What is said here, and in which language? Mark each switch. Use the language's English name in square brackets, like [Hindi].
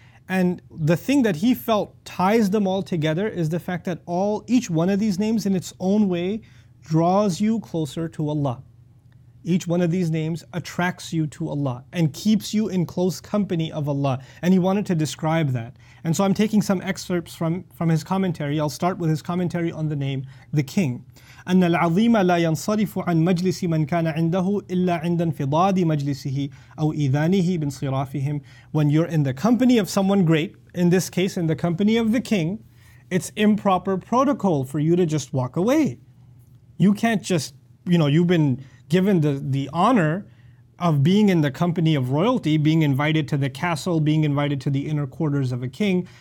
[English] And the thing that he felt ties them all together is the fact that each one of these names in its own way draws you closer to Allah. Each one of these names attracts you to Allah and keeps you in close company of Allah. And he wanted to describe that. And so I'm taking some excerpts from his commentary. I'll start with his commentary on the name, the King. [Arabic] أن العظيم لا ينصرف عن مجلس من كان عنده إلا عند انفضاد مجلسه أو إذانه بانصرافهم. [English] When you're in the company of someone great, in this case in the company of the king, it's improper protocol for you to just walk away. You can't just, you know, you've been given the honor of being in the company of royalty, being invited to the castle, being invited to the inner quarters of a king.